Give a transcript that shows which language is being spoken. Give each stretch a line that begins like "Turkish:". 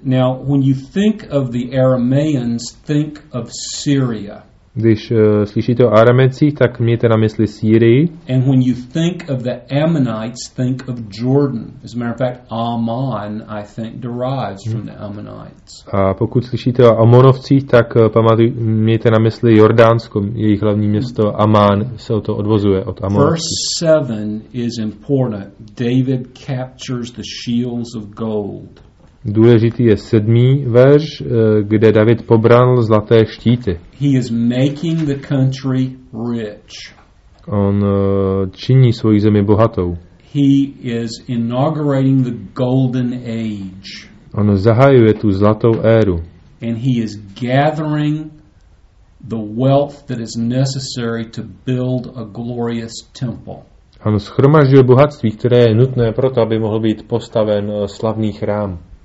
English: Now, when you think of the Arameans, think of Syria.
Czech: Když slyšíte o Aramejcích, tak mějte na mysli Sýrii.
English: And when you think of the Ammonites, think of Jordan. As a matter of fact, Ammon, I think, derives from the Ammonites.
Czech: A pokud slyšíte o Amonovcích, tak mějte na mysli Jordánsko, jejich hlavní město Amán se o to odvozuje od Amonovcích.
English: Verse 7 is important. David captures the shields of gold.
Czech: Důležitý je 7. verš, kde David pobral zlaté štíty.
English: He is making the country rich.
Czech: On činí svoji zemi bohatou.
English: He is inaugurating the golden age.
Czech: On zahajuje tu zlatou éru.
English: And he is gathering the wealth that is necessary to build a glorious temple.
Czech: On shromažďuje bohatství, které je nutné pro to, aby mohl být postaven slavný chrám.